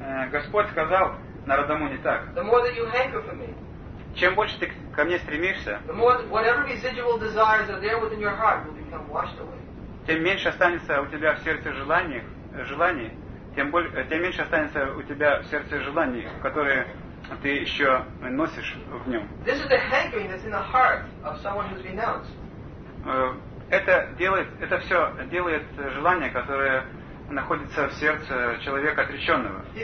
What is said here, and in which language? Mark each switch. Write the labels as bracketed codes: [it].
[ru] Господь сказал Нарада Муни так. [en] The more that you hanker for me, [ru] чем больше ты ко мне стремишься, [en] the more that whatever residual desires are there within your heart will become washed away. [ru] Тем меньше останется у тебя в сердце желаний, тем меньше останется у тебя в сердце желаний, которые ты еще носишь в нем. [en] This is the hankering that's in the heart of someone who's renounced. [ru] Это все делает желание, которое находится в сердце человека отреченного.